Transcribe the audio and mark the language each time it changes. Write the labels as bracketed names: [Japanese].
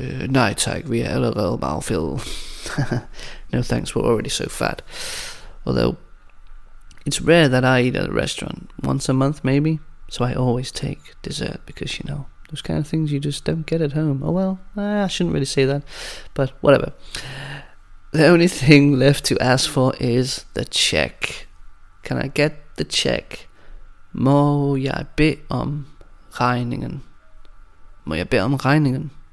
[Danish] Nej tak, vi er allerede meget fede. [English] No thanks, we're already so fat. Although, it's rare that I eat at a restaurant. Once a month maybe. So I always take dessert because, you know, those kind of things you just don't get at home. Oh well, I shouldn't really say that, but whatever. The only thing left to ask for is the check. Can I get the check? [Danish] Må jeg bede om regningen? Må jeg bede om regningen?